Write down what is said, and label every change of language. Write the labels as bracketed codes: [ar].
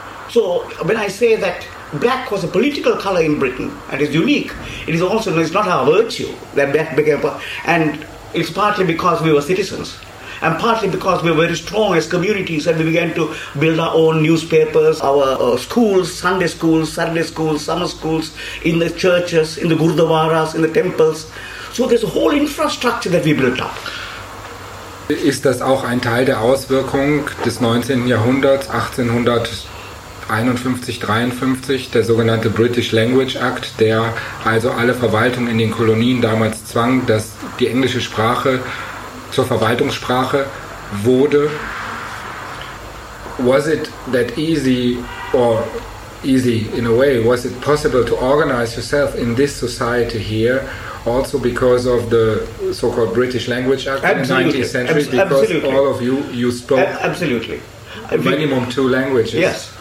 [en] So when I say that black was a political color in Britain and is unique, it is also, it's not our virtue that black became, and it's partly because we were citizens and partly because we were very strong as communities and we began to build our own newspapers, our schools, Sunday schools, Saturday schools, summer schools, in the churches, in the gurdwaras, in the temples. So there's a whole infrastructure that we built up. [de] Ist das auch ein Teil der Auswirkung des 19. Jahrhunderts, 1851, 53, der sogenannte British Language Act, der also alle Verwaltungen in den Kolonien damals zwang, dass die englische Sprache zur Verwaltungssprache wurde? [en] Was it that easy, or easy in a way, was it possible to organize yourself in this society here, also because of the so-called British Language Act in the 19th century, because all of you spoke minimum two languages.